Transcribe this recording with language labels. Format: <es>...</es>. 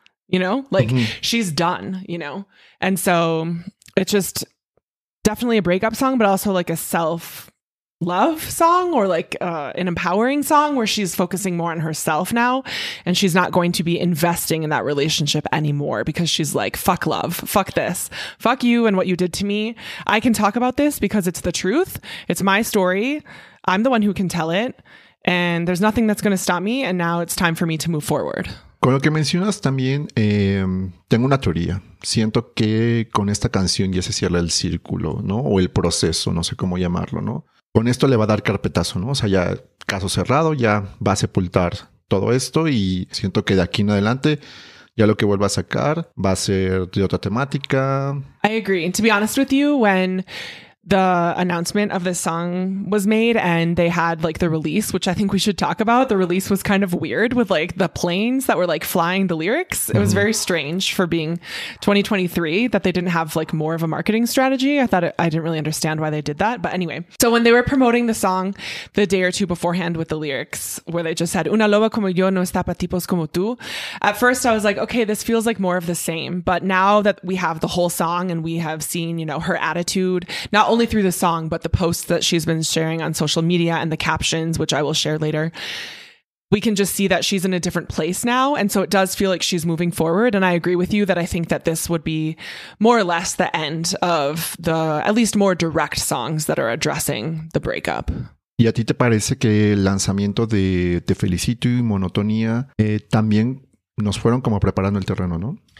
<en>You know, like she's done, you know? And so it's just definitely a breakup song, but also like a self love song, or like an empowering song where she's focusing more on herself now, and she's not going to be investing in that relationship anymore because she's like, fuck love, fuck this, fuck you and what you did to me. I can talk about this because it's the truth. It's my story. I'm the one who can tell it, and there's nothing that's going to stop me, and now it's time for me to move forward.</en> <es>Con lo que mencionas también, tengo una teoría. Siento que con esta canción ya se cierra el círculo, ¿no? O el proceso, no sé cómo llamarlo, ¿no? Con esto le va a dar carpetazo, ¿no? O sea, ya caso cerrado, ya va a sepultar todo esto y siento que de aquí en adelante ya lo que vuelva a sacar va a ser de otra temática.</es> <en>I agree. And to be honest with you, when the announcement of this song was made and they had like the release, which I think we should talk about, the release was kind of weird with like the planes that were like flying the lyrics. It was very strange for being 2023 that they didn't have like more of a marketing strategy. I didn't really understand why they did that, but anyway. So when they were promoting the song the day or two beforehand with the lyrics where they just said</en> <es>una loba como yo no está para tipos como tú,</es> <en>at first I was like, okay, this feels like more of the same. But now that we have the whole song and we have seen, you know, her attitude, not only through the song, but the posts that she's been sharing on social media and the captions, which I will share later, we can just see that she's in a different place now. And so it does feel like she's moving forward. And I agree with you that I think that this would be more or less the end of the at least more direct songs that are addressing the breakup.</en> <es>¿Y a ti te parece que el lanzamiento de Te Felicito y Monotonía también nos fueron como preparando el terreno, no?</es>